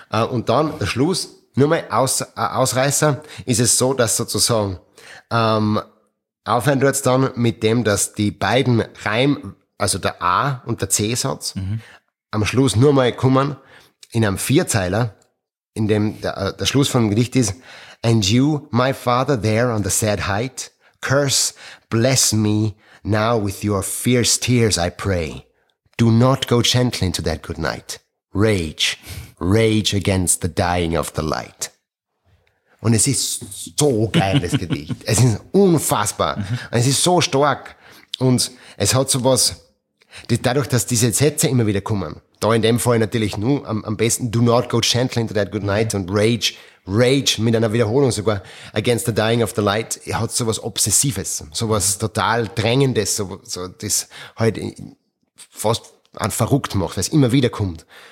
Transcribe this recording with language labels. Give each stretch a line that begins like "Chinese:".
German: Und dann der Schluss, nur mal Ausreißer, ist es so, dass sozusagen aufhören tut's dann mit dem, dass die beiden Reim, also der A- und der C-Satz, am Schluss nur mal kommen in einem Vierzeiler, in dem der Schluss vom Gedicht ist,
English: and you, my father, there on the sad height, curse, bless me, now with your fierce tears I pray. Do not go gently into that good night. Rage, rage against the dying of the light.
German: Und es ist so geil, das Gedicht. Es ist unfassbar. Es ist so stark. Und es hat sowas, dadurch, dass diese Sätze immer wieder kommen, da in dem Fall natürlich nur am besten
English: do not go gently into that good night
German: und
English: rage, rage
German: mit einer Wiederholung sogar
English: against the dying of the light,
German: hat sowas Obsessives, sowas total Drängendes, so das halt fast einen verrückt macht, weil es immer wieder kommt.